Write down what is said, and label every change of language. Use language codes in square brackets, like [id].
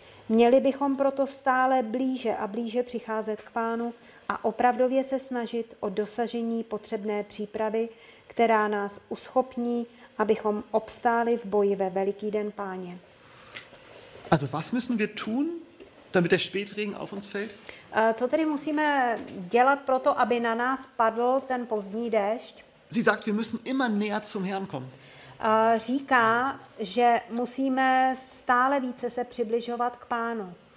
[cs] Měli bychom proto stále blíže a blíže přicházet k Pánu a opravdově se snažit o dosažení potřebné přípravy, která nás uschopní, abychom obstáli v boji ve veliký den Páně. [de] Also was müssen wir tun, damit der Spätregen auf uns fällt? [cs] Co tedy musíme dělat proto, aby na nás padl ten pozdní déšť? [de] Sie sagt, wir müssen immer näher zum Herrn kommen. [cs] říká, že musíme stále více se přibližovat k Pánu.